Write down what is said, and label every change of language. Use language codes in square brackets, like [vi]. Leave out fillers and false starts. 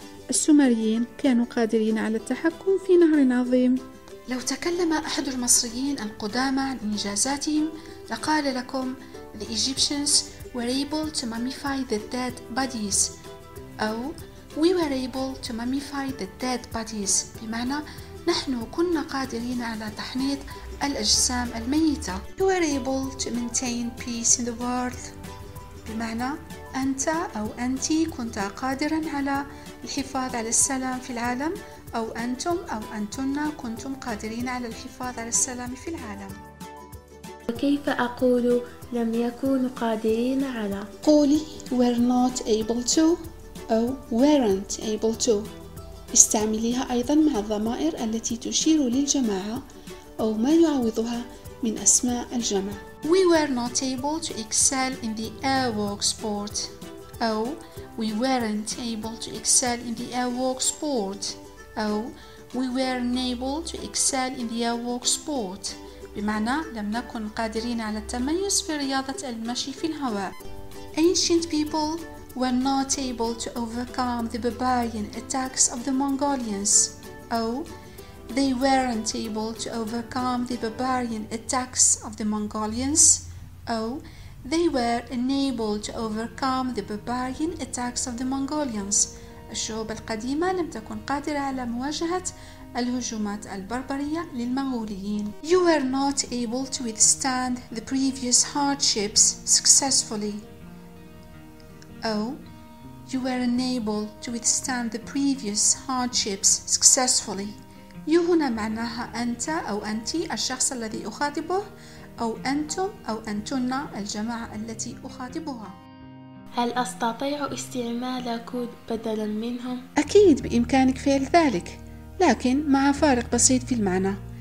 [ar] السومريين كانوا قادرين على التحكم في نهر عظيم. لو تكلم أحد المصريين القدامى عن إنجازاتهم لقال لكم [en] The Egyptians were able to mummify the dead bodies [ar] أو [en] We were able to mummify the dead bodies [ar] بمعنى نحن كنا قادرين على تحنيط الأجسام الميتة. [en] You were able to maintain peace in the world [ar] بمعنى أنت أو أنتي كنت قادرا على الحفاظ على السلام في العالم أو أنتم أو أنتن كنتم قادرين على الحفاظ على السلام في العالم. وكيف أقول لم يكونوا قادرين على؟ [en] قولي were not able to أو weren't able to. [ar] استعمليها أيضا مع الضمائر التي تشير للجماعة أو ما يعوضها من أسماء الجمع. [en] We were not able to excel in the air walk sport. Oh, we weren't able to excel in the air walk sport. Oh, we weren't able to excel in the air walk sport. [ar] بمعنى لم نكن قادرين على التميز في رياضة المشي في الهواء. [en] Ancient people were not able to overcome the barbarian attacks of the Mongolians. أو they weren't able to overcome the barbarian attacks of the Mongolians. أو they were unable to overcome the barbarian attacks of the Mongolians. [ar] الشعوب القديمة لم تكن قادرة على مواجهة الهجومات البربرية للمغوليين. [en] You were not able to withstand the previous hardships successfully. أو you were unable to withstand the previous hardships successfully. [ar] يو هنا معناها أنت أو أنتي، الشخص الذي أخاطبه، أو أنتم أو أنتن، الجماعة التي أخاطبها. هل أستطيع استعمال كود بدلا منهم؟ أكيد بإمكانك فعل ذلك، لكن مع فارق بسيط في المعنى.